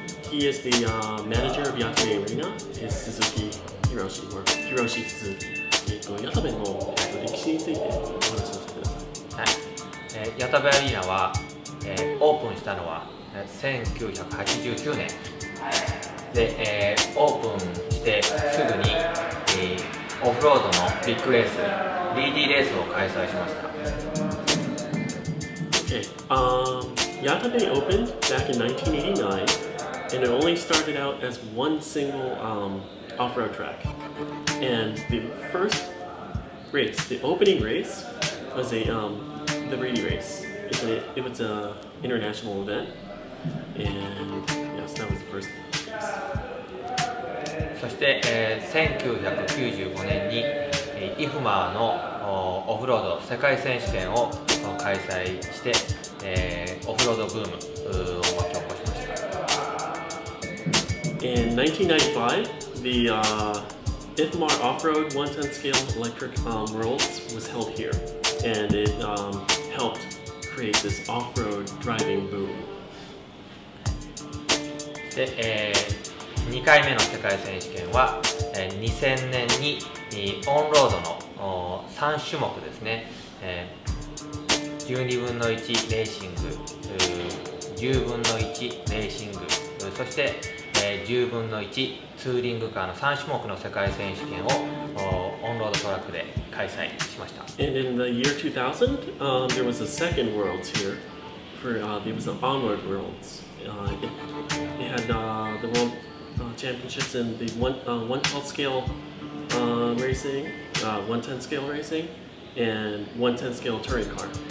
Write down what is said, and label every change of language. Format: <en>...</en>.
<en>He is the manager of Yatabe Arena. It's Suzuki Hiroshi. Hiroshi Suzuki.</en> <ja>ヤタベの歴史についてお話をしてください。ヤタベアリーナは、オープンしたのは1989年で、オープンしてすぐに、オフロードのビッグレース、DD レースを開催しました。</ja> <en>Yatabe opened back in 1989 and it only started out as one single off-road track. And the first race, the opening race, was a, the Reedy race. It was an international event. And yes, that was the first race.</en> <ja>そして、1995年に、IFMA のオフロード世界選手権を開催して、オフロードブームを巻き起こしました。</ja> <en>In 1995, the IFMA Off-Road 110 Scale Electric Worlds was held here, and it helped create this off-road driving boom.</en> <ja>で、2回目の世界選手権は、2000年に、オンロードの3種目ですね、12分の1レーシング、10分の1レーシング、そして、10分の1ツーリングカーの3種目の世界選手権をオンロードトラックで開催しました。</ja> <en>And in the year 2000, there was a second Worlds here. For, it was an onward Worlds. It had the world championships in the 112 scale racing, 110 scale racing, and 110 scale touring car.</en>